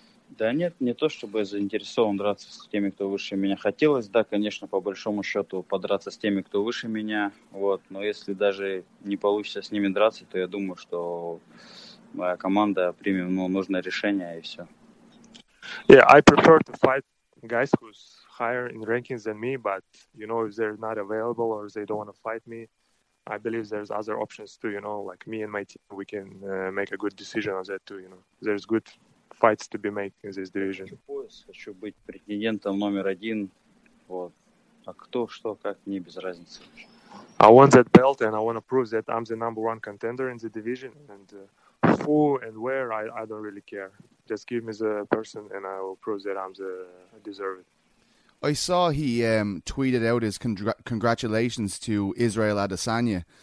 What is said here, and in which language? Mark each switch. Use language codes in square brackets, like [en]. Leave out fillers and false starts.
[ru] Да нет, не то чтобы я заинтересован драться с теми, кто выше меня. Хотелось, да, конечно, по большому счету подраться с теми, кто выше меня. Вот. Но если даже не получится с ними драться, то я думаю, что моя команда примет нужное решение, и все. [en] Yeah, I prefer to fight guys who's higher in rankings than me, but you know, if they're not available or they don't want to fight me, I believe there's other options too, you know, like me and my team, we can make a good decision on that too, you know. There's good fights to be made in this division. [ru] Хочу быть претендентом номер один, вот. А кто, что, как, мне без разницы. [en] I want that belt and I want to prove that I'm the number one contender in the division, and who and where, I don't really care. Just give me the person and I will prove that I deserve it. I saw he tweeted out his congratulations to Israel Adesanya.